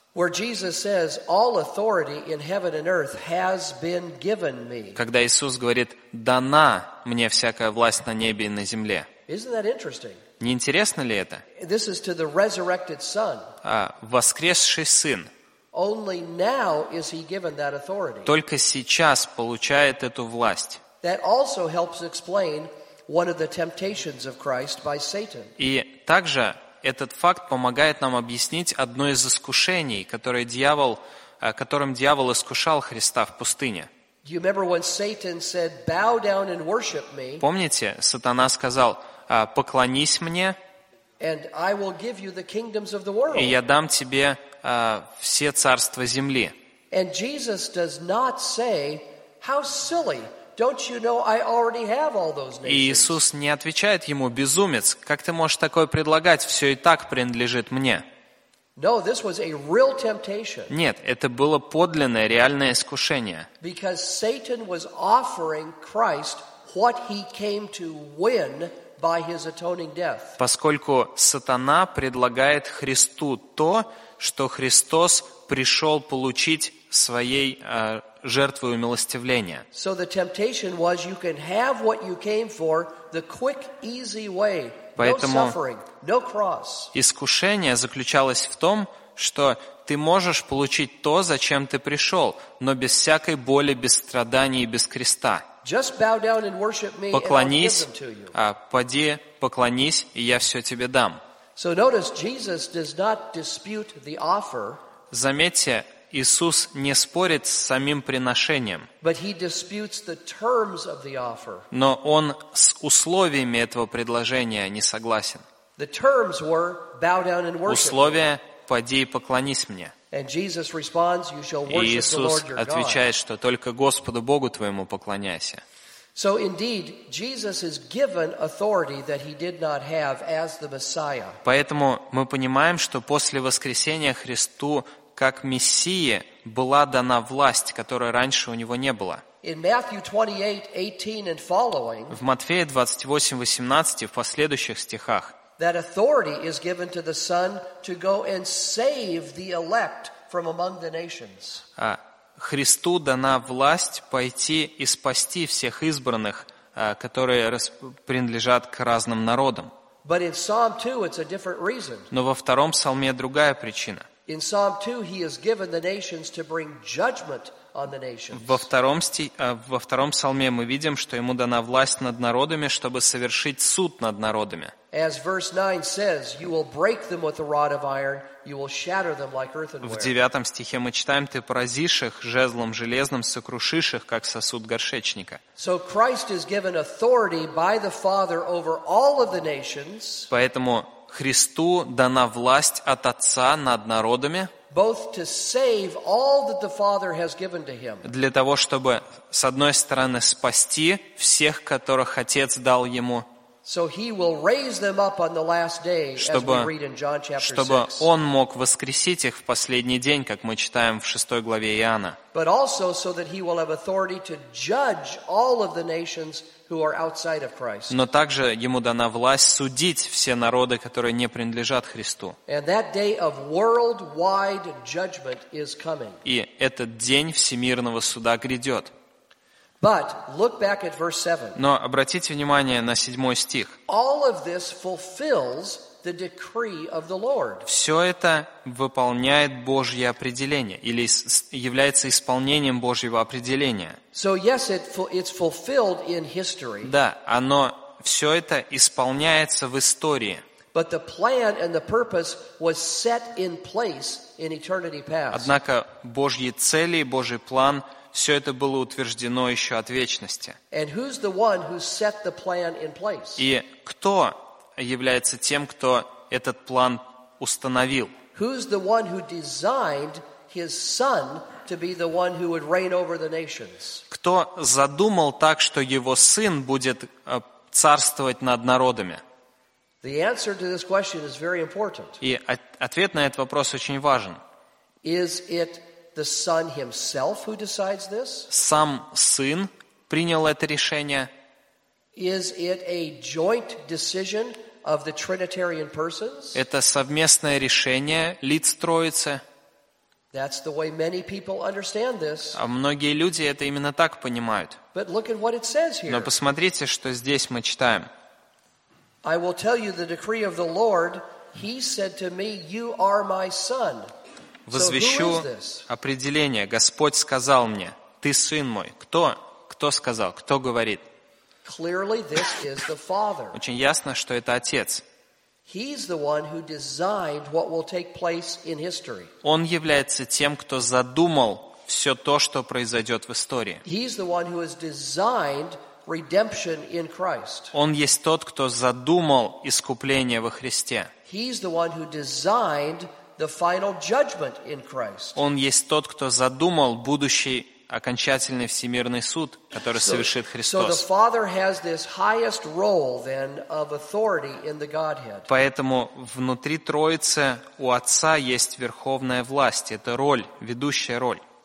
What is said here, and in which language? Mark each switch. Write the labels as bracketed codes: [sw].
[en] Where Jesus says, "All authority in heaven and earth has been given me." [ru] Когда Иисус говорит: "Дана мне всякая власть на небе и на земле." [en] Isn't that interesting? [ru] Не интересно ли это? [en] This is to the resurrected Son. [ru] А, воскресший Сын. [en] Only now is he given that authority. [ru] Только сейчас получает эту власть. [en] That also helps explain one of the temptations of Christ by Satan. [ru] И также этот факт помогает нам объяснить одно из искушений, которым дьявол искушал Христа в пустыне. [en] Do you remember when Satan said, "Bow down and worship me"? [ru] Помните, сатана сказал: «Поклонись мне, [en] and I will give you the kingdoms of the world." [ru] И я дам тебе все царства земли. [en] And Jesus does not say, "How silly! Don't you know I already have all those nations?" [ru] И Иисус не отвечает ему: «Безумец, как ты можешь такое предлагать? Все и так принадлежит мне». [en] No, this was a real temptation. [ru] Нет, это было подлинное, реальное искушение. [en] Because Satan was offering Christ what he came to win by his atoning death. [ru] Поскольку сатана предлагает Христу то, что Христос пришел получить своей жертвой умилостивления. [en] So the temptation was, you can have what you came for, the quick, easy way. [ru] Поэтому [en] no cross. [ru] Искушение заключалось в том, что ты можешь получить то, зачем ты пришел, но без всякой боли, без страданий и без креста. [en] Just bow down and worship me, [ru] поклонись, [en] and I'll give them to you. [ru] Поди, поклонись, и я все тебе дам. [en] So notice, Jesus does not dispute the offer. [ru] Заметьте, Иисус не спорит с самим приношением. [en] But he disputes the terms of the offer. [ru] Но он с условиями этого предложения не согласен. [en] The terms were, bow down and worship. [ru] Условия: поди и поклонись мне. [en] And Jesus responds, you shall worship the Lord your God. [ru] И Иисус отвечает, что только Господу Богу твоему поклоняйся. [en] So indeed, Jesus is given authority that he did not have as the Messiah. [ru] Поэтому мы понимаем, что после воскресения Христу как Мессии была дана власть, которой раньше у него не было. [en] In Matthew 28:18 and following, [ru] в Матфея 28:18 и в последующих стихах, [en] that authority is given to the Son to go and save the elect from among the nations. [ru] Христу дана власть пойти и спасти всех избранных, которые принадлежат к разным народам. [en] But in Psalm 2 it's a different reason. [ru] Но во втором псалме другая причина. [en] In Psalm 2 he has given the nations to bring judgment on the nations. [ru] Во втором псалме мы видим, что ему дана власть над народами, чтобы совершить суд над народами. [en] As verse 9 says, you will break them with a rod of iron, you will shatter them like earthenware. [ru] В 9 стихе мы читаем: ты поразишь их жезлом железным, сокрушишь их как сосуд горшечника. [en] So Christ is given authority by the Father over all of the nations. [ru] Поэтому Христу дана власть от Отца над народами. [en] Both to save all that the Father has given to him. [ru] Для того, чтобы с одной стороны спасти всех, которых Отец дал ему. [en] So he will raise them up on the last day, [ru] чтобы, [en] as we read in John chapter 6. [ru] Чтобы он мог воскресить их в последний день, как мы читаем в 6 главе Иоанна. [en] But also so that he will have authority to judge all of the nations who are outside of Christ. [ru] Но также ему дана власть судить все народы, которые не принадлежат Христу. [en] And that day of worldwide judgment is coming. [ru] И этот день всемирного суда грядет. [en] But look back at verse 7. [ru] Но обратите внимание на 7 стих. [en] All of this fulfills the decree of the Lord. [ru] Все это выполняет Божье определение или является исполнением Божьего определения. [en] So yes, it's fulfilled in history. [ru] Да, оно все это исполняется в истории. [en] But the plan and the purpose was set in place in eternity past. [ru] Однако Божьи цели, Божий план все это было утверждено еще от вечности. И кто является тем, кто этот план установил? Кто задумал так, что его сын будет царствовать над народами? [en] The answer to this question is very important. [ru] И ответ на этот вопрос очень важен. [en] Is it the son himself who decides this? [ru] Сам сын принял это решение? [en] Is it a joint decision of the Trinitarian persons? [ru] Это совместное решение лиц Троицы? [en] That's the way many people understand this. [ru] А многие люди это именно так понимают. [en] But look at what it says here. [ru] Но посмотрите, что здесь мы читаем. [en] I will tell you the decree of the Lord. He said to me, "You are my son." [ru] Возвещу определение. Господь сказал мне: "Ты сын мой." Кто? Кто сказал? Кто говорит? [en] Clearly, this is the Father. [ru] Очень ясно, что это отец. [en] He's the one who designed what will take place in history. [ru] Он является тем, кто задумал все то, что произойдет в истории. [en] He's the one who has designed redemption in Christ. [ru] Он есть тот, кто задумал искупление во Христе. [en] He's the one who designed the final judgment in Christ. [ru] Он есть тот, кто задумал будущий окончательный всемирный суд, который совершит Христос. [en] So the Father has this highest role then of authority in the Godhead. [ru] Поэтому внутри Троицы у Отца есть верховная власть, это роль, ведущая роль.